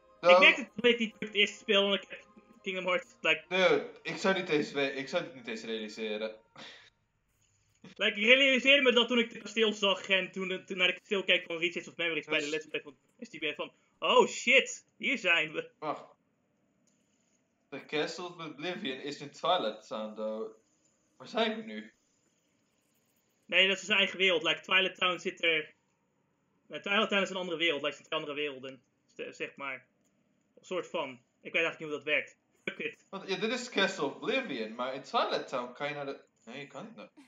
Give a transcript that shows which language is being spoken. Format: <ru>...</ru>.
<nl>So, ik merk het niet dat ik het eerste speel, want ik heb Kingdom Hearts.</nl> <en>Like...</en> <nl>Nee, ik zou dit niet eens realiseren. Like, ik realiseerde me dat toen ik de kasteel zag en toen naar de kasteel keek van Richards of Memories bij de Let's Play van STB van... Oh shit, hier zijn we. Wacht.</nl> <en>The Castle of Oblivion is in Twilight Town, though.</en> <nl>Waar zijn we nu? Nee, dat is zijn eigen wereld. Like, Twilight Town zit er... Twilight Town is een andere wereld. Like, het zijn twee andere werelden, zeg maar. Een soort van. Ik weet eigenlijk niet hoe dat werkt.</nl> <en>Fuck it.</en> <nl>Yeah, dit is Castle of Oblivion, maar in Twilight Town kan je naar de... Nee, kan niet.</nl>